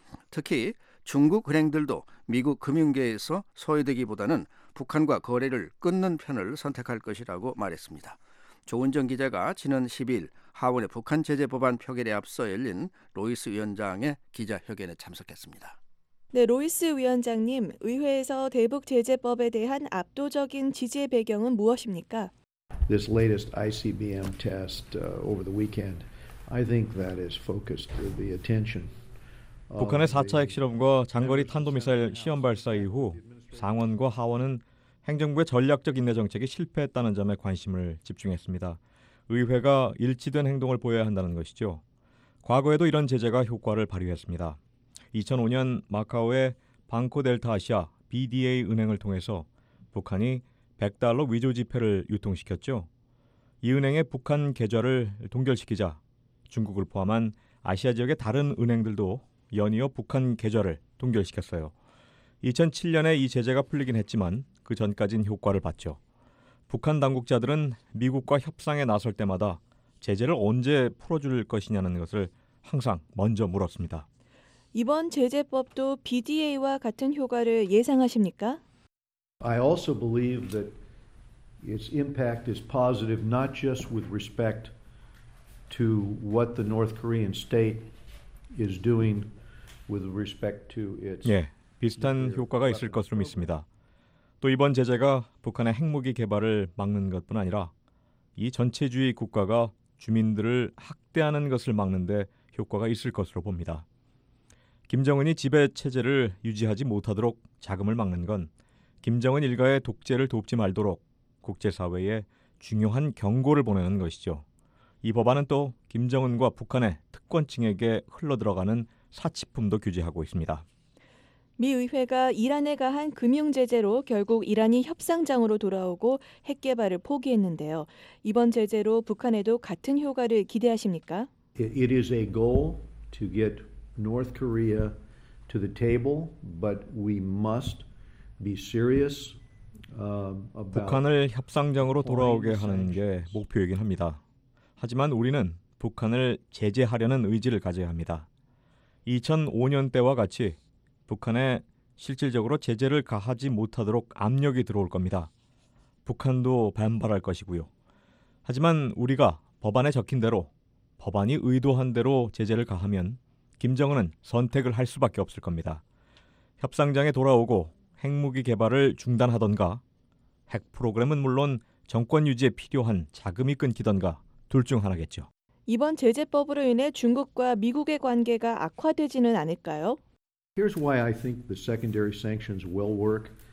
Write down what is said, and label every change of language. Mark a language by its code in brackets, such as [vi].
[ko] 특히 중국 은행들도 미국 금융계에서 소외되기보다는 북한과 거래를 끊는 편을 선택할 것이라고 말했습니다. 조은정 기자가 지난 10일 하원의 북한 제재 법안 표결에 앞서 열린 로이스 위원장의 기자회견에 참석했습니다. 네, 로이스 위원장님, 의회에서 대북 제재법에 대한 압도적인 지지의 배경은 무엇입니까? [en] This latest ICBM test over the weekend, I think that is focused the attention. [ko] 북한의 4차 핵실험과 장거리 탄도미사일 시험 발사 이후 상원과 하원은 행정부의 전략적 인내 정책이 실패했다는 점에 관심을 집중했습니다. 의회가 일치된 행동을 보여야 한다는 것이죠. 과거에도 이런 제재가 효과를 발휘했습니다. 2005년 마카오의 방코 델타 아시아 BDA 은행을 통해서 북한이 100달러 위조 지폐를 유통시켰죠. 이 은행의 북한 계좌를 동결시키자 중국을 포함한 아시아 지역의 다른 은행들도 연이어 북한 계좌를 동결시켰어요. 2007년에 이 제재가 풀리긴 했지만 그 전까지는 효과를 봤죠. 북한 당국자들은 미국과 협상에 나설 때마다 제재를 언제 풀어줄 것이냐는 것을 항상 먼저 물었습니다. 이번 제재법도 BDA와 같은 효과를 예상하십니까? [en] I also believe that its impact is positive not just with respect to what the North Korean state is doing with respect to its [ko] 예, 비슷한 효과가 있을 것으로 믿습니다. 또 이번 제재가 북한의 핵무기 개발을 막는 것뿐 아니라 이 전체주의 국가가 주민들을 학대하는 것을 막는 데 효과가 있을 것으로 봅니다. 김정은이 지배체제를 유지하지 못하도록 자금을 막는 건 김정은 일가의 독재를 돕지 말도록 국제사회에 중요한 경고를 보내는 것이죠. 이 법안은 또 김정은과 북한의 특권층에게 흘러들어가는 사치품도 규제하고 있습니다. 미 의회가 이란에 가한 금융 제재로 결국 이란이 협상장으로 돌아오고 핵 개발을 포기했는데요. 이번 제재로 북한에도 같은 효과를 기대하십니까? [en] It is a goal to get North Korea to the table, but we must be serious about [ko] 북한을 협상장으로 돌아오게 하는 게 목표이긴 합니다. 하지만 우리는 북한을 제재하려는 의지를 가져야 합니다. 2005년대와 같이 북한에 실질적으로 제재를 가하지 못하도록 압력이 들어올 겁니다. 북한도 반발할 것이고요. 하지만 우리가 법안에 적힌 대로 법안이 의도한 대로 제재를 가하면 김정은은 선택을 할 수밖에 없을 겁니다. 협상장에 돌아오고 핵무기 개발을 중단하던가 핵 프로그램은 물론 정권 유지에 필요한 자금이 끊기던가 둘 중 하나겠죠. 이번 제재법으로 인해 중국과 미국의 관계가 악화되지는 않을까요? [en] Here's why I think the secondary sanctions will work.